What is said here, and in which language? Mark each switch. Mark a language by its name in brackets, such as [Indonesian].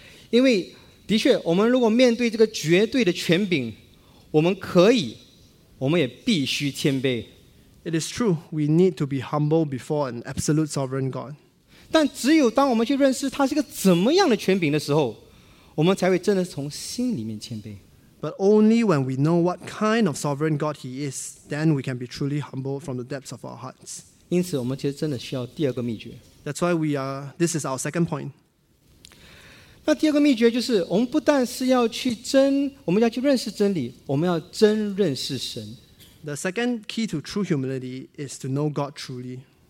[Chinese] 因为的确，我们如果面对这个绝对的权柄，我们可以，我们也必须谦卑。 [English] It is true, we need to be humble before an absolute sovereign God. [Chinese] 但只有当我们去认识他是个怎么样的权柄的时候，我们才会真的从心里面谦卑。 [English] But only when we know what kind of sovereign God he is, then we can be truly humble from the depths of our hearts. [Chinese] 因此我们其实真的需要第二个秘诀。 [English] That's why we are, this is our second point. [Chinese] 那第二个秘诀就是我们不但是要去真，我们要去认识真理，我们要真认识神。 [English] The second key to true humility is to know God truly.